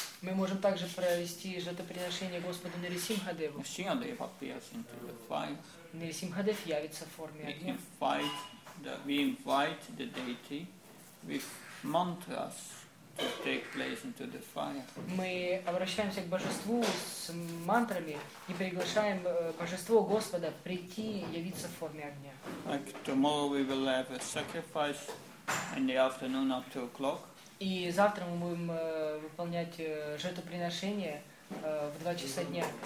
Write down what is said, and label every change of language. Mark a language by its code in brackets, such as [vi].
[ru] Мы можем также провести жертвоприношение Господу Нарисимхадеву. [en] Narasimhadev appears in the fire. [ru] Нарисимхадев явится в форме огня. [en] We invite the deity with mantras to take place into the fire. [ru] Мы обращаемся к божеству с мантрами и приглашаем божество Господа прийти явиться в форме огня. [en] Like tomorrow we will have a sacrifice in the afternoon at 2:00. [ru] И завтра мы будем выполнять жертвоприношение в 2 часа дня.